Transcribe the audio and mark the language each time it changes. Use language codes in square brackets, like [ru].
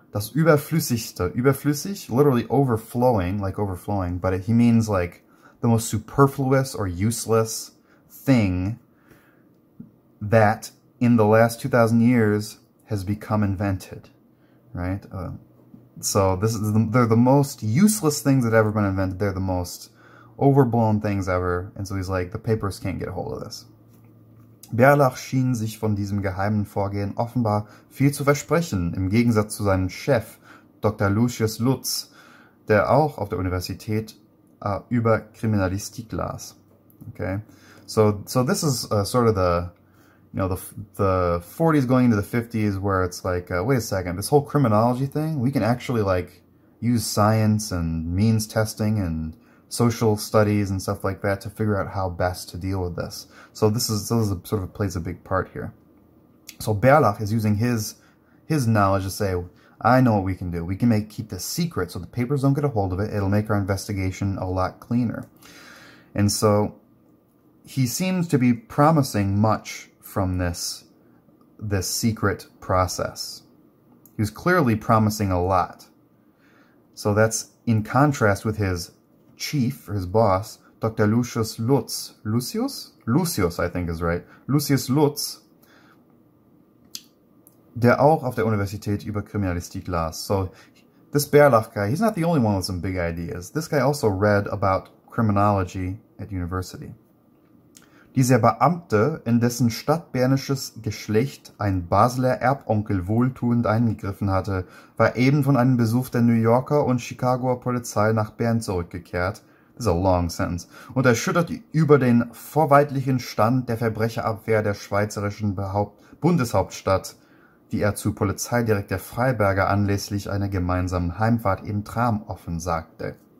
[de] Das Überflüssigste. Überflüssig, [en] literally overflowing, like overflowing, but he means like the most superfluous or useless thing that in the last 2,000 years has become invented, right? So this is they're the most useless things that have ever been invented. They're the most overblown things ever. And so he's like, the papers can't get a hold of this. [de] Berlach schien sich von diesem geheimen Vorgehen offenbar viel zu versprechen, im Gegensatz zu seinem Chef, Dr. Lucius Lutz, der auch auf der Universität über Kriminalistik las. [en] Okay, so this is sort of the, the 40s going into the 50s, where it's like, wait a second, this whole criminology thing, we can actually like use science and means testing and social studies and stuff like that to figure out how best to deal with this. So this is a, sort of plays a big part here. So Berlach is using his knowledge to say, I know what we can do. We can make keep this secret so the papers don't get a hold of it. It'll make our investigation a lot cleaner. And so he seems to be promising much from this secret process. He was clearly promising a lot. So that's in contrast with his chief or his boss, Dr. Lucius Lutz. Lucius? Lucius, I think, is right. [de] Lucius Lutz, der auch auf der Universität über Kriminalistik las. [en] So this Berlach guy, he's not the only one with some big ideas. This guy also read about criminology at university. [de] Dieser Beamte, in dessen stadtbernisches Geschlecht ein Basler Erbonkel wohltuend eingegriffen hatte, war eben von einem Besuch der New Yorker und Chicagoer Polizei nach Bern zurückgekehrt. [en] This is a long sentence. [de] Und erschüttert über den vorweitlichen Stand der Verbrecherabwehr der schweizerischen Bundeshauptstadt, die er zu Polizeidirektor Freiberger anlässlich einer gemeinsamen Heimfahrt im Tram offen sagte.